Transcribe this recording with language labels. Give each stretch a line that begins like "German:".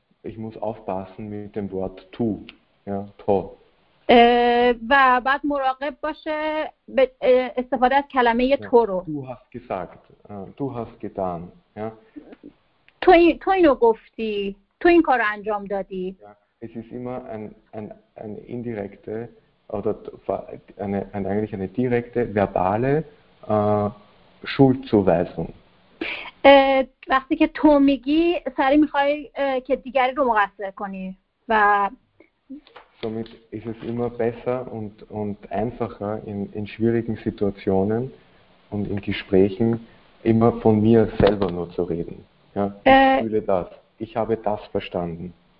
German: Ich muss aufpassen mit dem Wort tu, ja, to.
Persian: و بعد مراقب باشه به استفاده از کلمه تو رو.
German: Du hast gesagt, du hast getan, ja.
Persian: تو اینو گفتی, تو این کار انجام دادی.
German: Ja. Es ist immer ein indirekte oder eigentlich eine direkte verbale Schuldzuweisung.
Persian: وقتی که تو میگی سری میخوای که دیگری رو مقصر کنی و
German: somit ist es immer besser und einfacher in schwierigen Situationen und in Gesprächen immer von mir selber nur zu reden. Ja, ich fühle das. Ich habe das verstanden.